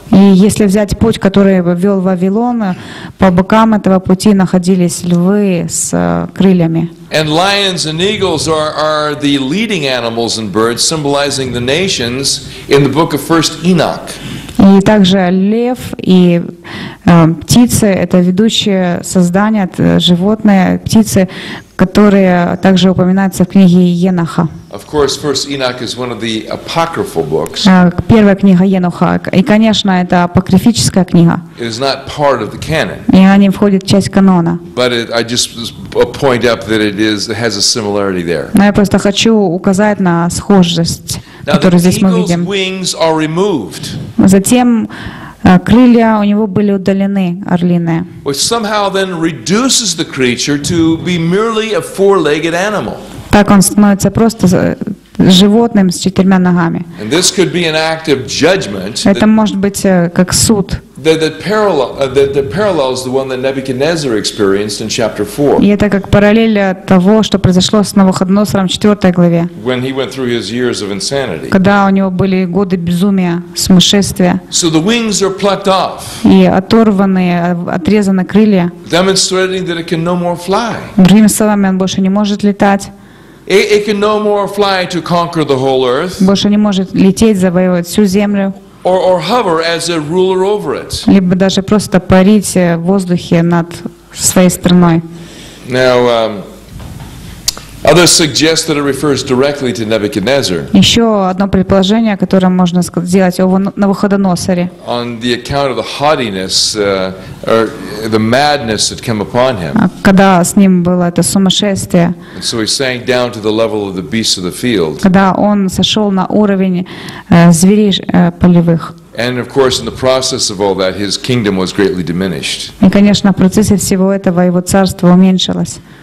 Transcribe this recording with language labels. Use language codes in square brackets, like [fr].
[ru] И если взять путь, который вел Вавилон, по бокам этого пути находились львы с крыльями. [en] And lions and eagles are the leading animals and birds symbolizing the nations in the book of First Enoch. [ru] И также лев и птицы — это ведущие создания, это животные, птицы, которые также упоминаются в книге Еноха. [en] Of course, First Enoch is one of the apocryphal books. [ru] Первая книга Еноха. И, конечно, это апокрифическая книга. [en] It is not part of the canon. [ru] И она не входит в часть канона. [en] But I just point up that it has a similarity there. [ru] Но я просто хочу указать на схожесть. которые здесь мы видим. [en] Wings are removed. [ru] Затем крылья у него были удалены, орлиные. [en] Which somehow then reduces the creature to be merely a four-legged animal. [ru] Так он становится просто животным с четырьмя ногами. [en] And this could be an act of judgment. [ru] Это может быть как суд. [en] That parallels the one that Nebuchadnezzar experienced in chapter 4. [ru] И это как параллель того, что произошло с Навуходоносором в 4 главе. [en] When he went through his years of insanity. [ru] Когда у него были годы безумия, сумасшествия. [en] So the wings are plucked off. [ru] И оторваны, отрезаны крылья. [en] Demonstrating that it can no more fly. [ru] Другими словами, он больше не может летать. [en] It can no more fly to conquer the whole earth. [ru] Больше не может лететь, завоевывать всю землю. [en] Or hover as a ruler over it. [ru] Либо даже просто парить в воздухе над своей страной. [en] Now, others suggest that it refers directly to Nebuchadnezzar. [ru] Еще одно предположение, которое можно сделать о Навуходоносоре. [en] On the account of the haughtiness or the madness that came upon him. [ru] Когда с ним было это сумасшествие. [en] And so he sank down to the level of the beasts of the field. [ru] Когда он сошел на уровень зверей полевых. [en] And of course, in the process of all that, his kingdom was greatly diminished. [ru] И конечно, в процессе всего этого его царство уменьшилось.